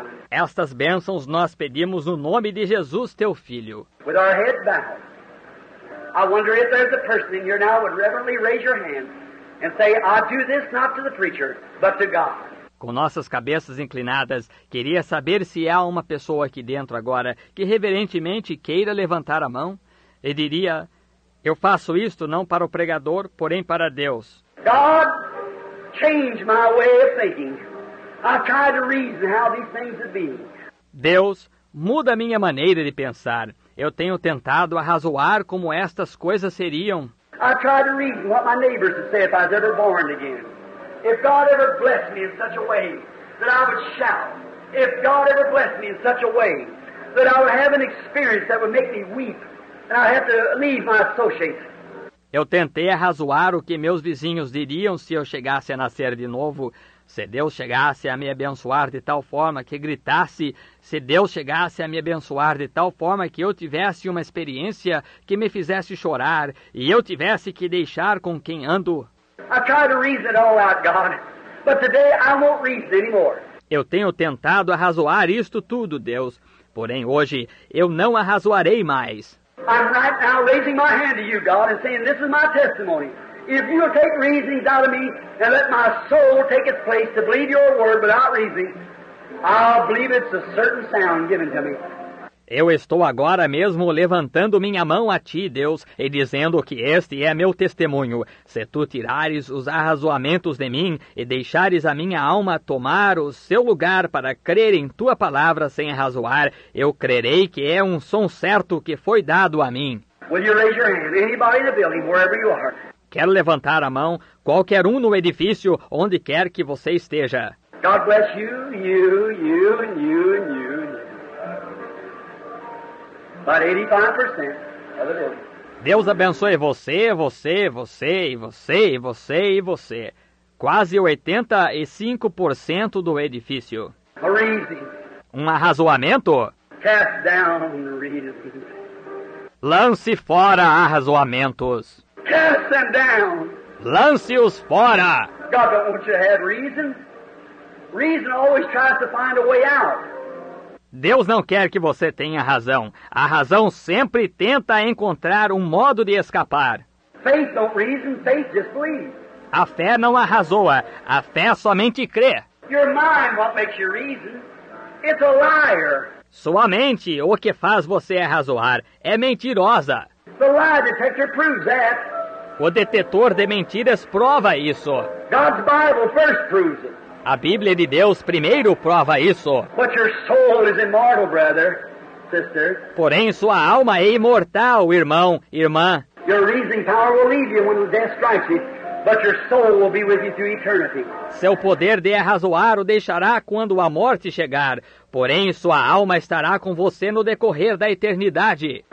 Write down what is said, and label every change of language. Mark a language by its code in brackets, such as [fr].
[pt] Estas bênçãos nós pedimos no nome de Jesus, teu Filho. [en] With our head bowed, I wonder if there's a person in here now would reverently raise your hand and say, I do this not to the preacher, but to God. [pt] Com nossas cabeças inclinadas, queria saber se há uma pessoa aqui dentro agora que reverentemente queira levantar a mão e diria, eu faço isto não para o pregador, porém para Deus. [en] God, change my way of thinking. I try to reason how these things would be. [pt] Deus, muda a minha maneira de pensar. Eu tenho tentado arrazoar como estas coisas seriam. [en] I try to reason what my neighbors would say if I was ever born again. If God ever blessed me in such a way that I would shout. If God ever blessed me in such a way that I would have an experience that would make me weep and I have to leave my associates. [pt] Eu tentei arrazoar o que meus vizinhos diriam se eu chegasse a nascer de novo, se Deus chegasse a me abençoar de tal forma que gritasse, se Deus chegasse a me abençoar de tal forma que eu tivesse uma experiência que me fizesse chorar e eu tivesse que deixar com quem ando. [en] I try to reason it all out, God, but today I won't reason anymore. [pt] Eu tenho tentado arrazoar isto tudo, Deus, porém hoje eu não arrazoarei mais. [en] I'm right now raising my hand to you, God, and saying, this is my testimony. If you will take reasonings out of me and let my soul take its place to believe your word without reasoning, I'll believe it's a certain sound given to me. [pt] Eu estou agora mesmo levantando minha mão a ti, Deus, e dizendo que este é meu testemunho. Se tu tirares os arrazoamentos de mim e deixares a minha alma tomar o seu lugar para crer em tua palavra sem arrazoar, eu crerei que é um som certo que foi dado a mim. [en] Will you raise your hand? Anybody in the building, wherever you are. [pt] Quero levantar a mão, qualquer um no edifício, onde quer que você esteja. [en] God bless you, you, you, and you, and you. About 85%. [pt] Deus abençoe você, você, você, e você, e você, e você. Quase 85% do edifício. [en] A reason. [pt] Um arrazoamento? [en] Cast down reasons. [pt] Lance fora arrazoamentos. [en] Cast them down. [pt] Lance-os fora. [en] God don't want you to have reason. Reason always tries to find a way out. [pt] Deus não quer que você tenha razão. A razão sempre tenta encontrar um modo de escapar. [en] Faith don't reason, faith just believes. [pt] A fé não arrasoa. A fé somente crê. [en] Your mind, what makes you reason? It's a liar. [pt] Sua mente, o que faz você arrasoar, é mentirosa. [en] The lie detector proves that. [pt] O detetor de mentiras prova isso. [en] God's Bible first proves it. [pt] A Bíblia de Deus primeiro prova isso. [en] But your soul is immortal, brother, sister. [pt] Porém, sua alma é imortal, irmão, irmã. [en] Your reasoning power will leave you when the death strikes you, but your soul will be with you through eternity. [pt] Seu poder de arrazoar o deixará quando a morte chegar, porém sua alma estará com você no decorrer da eternidade.